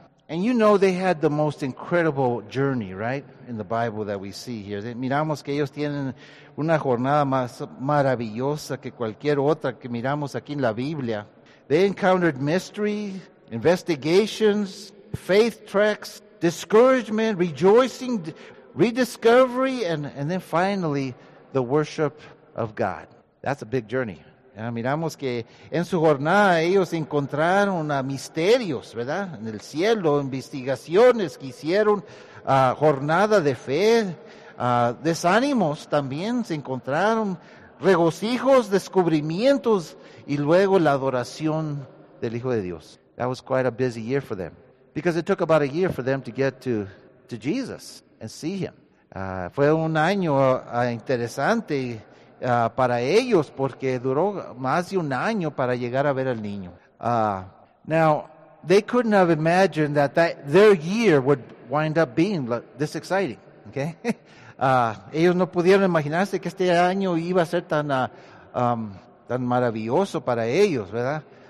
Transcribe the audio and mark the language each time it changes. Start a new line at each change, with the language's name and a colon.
English: And you know they had the most incredible journey, right? In the Bible that we see here.
Spanish: Miramos que ellos tienen una jornada más maravillosa que cualquier otra que miramos aquí en la Biblia.
English: They encountered mystery, investigations, faith treks, discouragement, rejoicing, rediscovery, and then finally, the worship of God. That's a big journey.
Spanish: Yeah, miramos que en su jornada ellos encontraron misterios, ¿verdad? En el cielo, investigaciones que hicieron, jornada de fe, desánimos también se encontraron, regocijos, descubrimientos, y luego la adoración del Hijo de Dios.
English: That was quite a busy year for them. Because it took about a year for them to get to Jesus and see him.
Spanish: Fue un año interesante para ellos porque duró más de un año para llegar a ver al niño.
English: Now, they couldn't have imagined that their year would wind up being this exciting. Okay?
Spanish: Ellos no pudieron imaginarse que este año iba a ser tan tan maravilloso para ellos, ¿verdad?